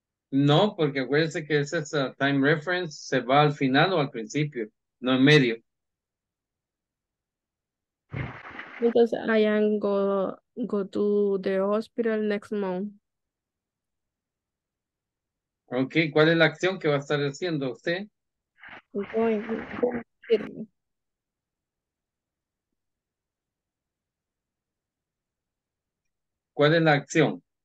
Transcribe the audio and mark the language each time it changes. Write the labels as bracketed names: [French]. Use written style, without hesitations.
[Spanish] No, porque acuérdense que ese es [English] a time reference, [Spanish] se va al final o al principio, no en medio. [English] Entonces I am go to the hospital next month. [Spanish] Ok, ¿cuál es la acción que va a estar haciendo usted? ¿Cuál es la acción?